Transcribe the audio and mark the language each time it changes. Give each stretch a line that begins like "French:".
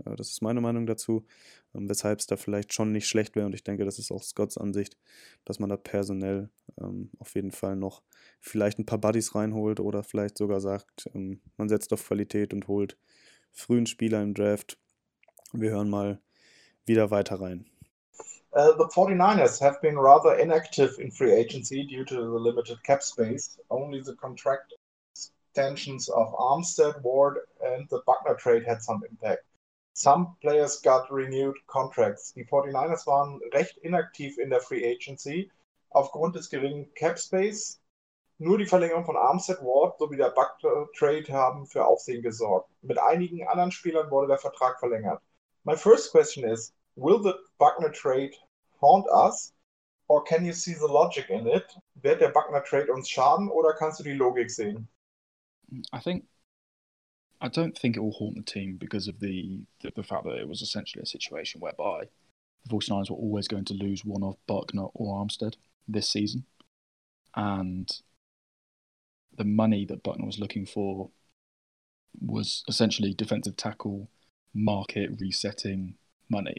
German: Das ist meine Meinung dazu, weshalb es da vielleicht schon nicht schlecht wäre. Und ich denke, das ist auch Scotts Ansicht, dass man da personell auf jeden Fall noch vielleicht ein paar Buddies reinholt oder vielleicht sogar sagt, man setzt auf Qualität und holt frühen Spieler im Draft. Wir hören mal wieder weiter rein.
English: The 49ers have been rather inactive in free agency due to the limited cap space. Only the contract extensions of Armstead, Ward and the Buckner trade had some impact. Some players got renewed contracts.
German: Die 49ers waren recht inaktiv in der Free Agency aufgrund des geringen Cap Space. Nur die Verlängerung von Armstead, Ward sowie der Buckner trade haben für Aufsehen gesorgt. Mit einigen anderen Spielern wurde der Vertrag verlängert.
English: My first question is, will the Buckner trade haunt us or can you see the logic in it?
German: Wird der Buckner trade uns schaden oder kannst du die Logik sehen?
English: I don't think it will haunt the team because of the fact that it was essentially a situation whereby the 49ers were always going to lose one of Buckner or Armstead this season. And the money that Buckner was looking for was essentially defensive tackle market resetting money.